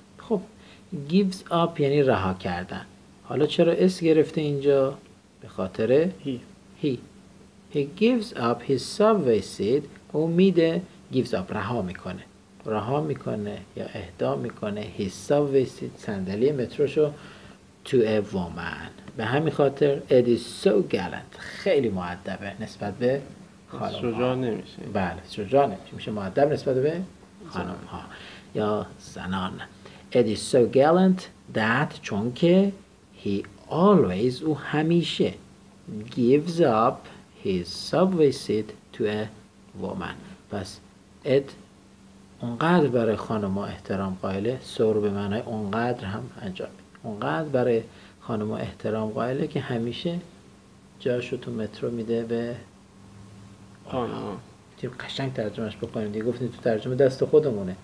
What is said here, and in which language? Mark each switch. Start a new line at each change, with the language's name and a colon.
Persian: خب gives up یعنی رها کردن. حالا چرا اس گرفته اینجا؟ به خاطر
English: he gives up his subway seat.
Persian: او میده
English: gives up
Persian: رها میکنه. رها میکنه یا اهدا میکنه
English: his subway seat
Persian: صندلی متروشو
English: to a woman.
Persian: به همین خاطر
English: it is so gallant
Persian: خیلی مؤدبه نسبت به خانم ها. شجاع نمیشه. بله شجاع نمیشه. میشه مؤدب نسبت به خانم ها یا زنان.
English: it is so gallant that
Persian: چون که
English: he always
Persian: او همیشه
English: gives up his subway seat to a woman.
Persian: پس it اونقدر برای خانم ها احترام قائله سور به معنای اونقدر هم انجام میده. اونقدر برای خانم ها احترام قائله که همیشه جاشو تو مترو میده به خانم ها. قشنگ ترجمهش بکنیم دیگه گفتیم تو ترجمه دست خودمونه.